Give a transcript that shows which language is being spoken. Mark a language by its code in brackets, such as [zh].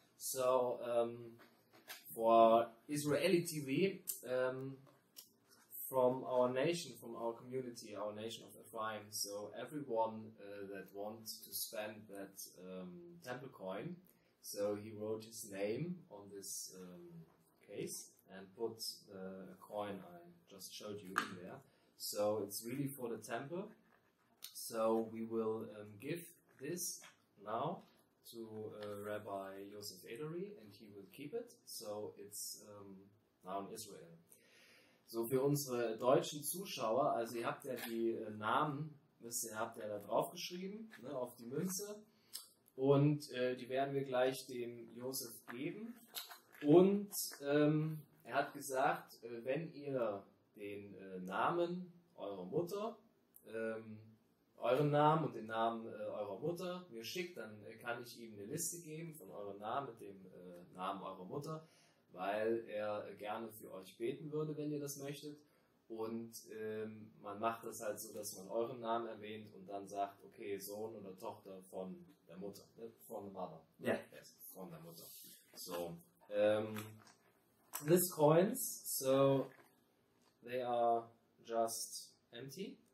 [en] So, for Israeli TV, from our nation, from our community, our nation of Ephraim, so everyone that wants to spend that temple coin, so he wrote his name on this case and put a coin I just showed you in there. So it's really for the temple. So we will give this now to Rabbi Yosef Edery, and he will keep it. So it's now in Israel. [de] So für unsere deutschen Zuschauer, also ihr habt ja die Namen, wisst ihr, habt ihr da drauf geschrieben, ne, auf die Münze. Und die werden wir gleich dem Josef geben. Und er hat gesagt, wenn ihr den Namen eurer Mutter, euren Namen und den Namen eurer Mutter mir schickt, dann kann ich ihm eine Liste geben von eurem Namen mit dem Namen eurer Mutter, weil er gerne für euch beten würde, wenn ihr das möchtet. Und man macht das halt so, dass man euren Namen erwähnt und dann sagt, okay, Sohn oder Tochter von der Mutter, ne? [en] From the mother. Yeah. Yes, [de] von der Mutter. [en] So, these coins, so they are just empty.